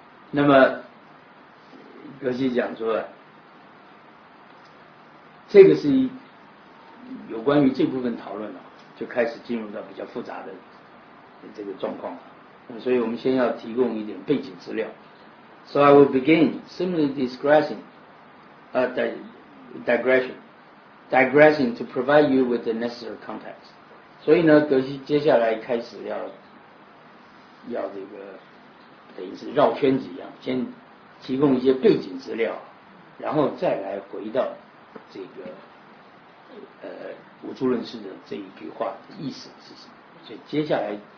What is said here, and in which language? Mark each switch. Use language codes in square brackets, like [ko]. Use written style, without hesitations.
[zh] 那么，格西讲说，这个是有关于这部分讨论了、啊，就开始进入到比较复杂的这个状况了。所以我们先要提供一点背景资料。 [en] So I will begin simply digressing to provide you with the necessary context. [zh] 所以呢，格西接下来开始要这个等于是绕圈子一样，先提供一些背景资料，然后再来回到这个吴助论师的这一句话的意思是什么。所以接下来。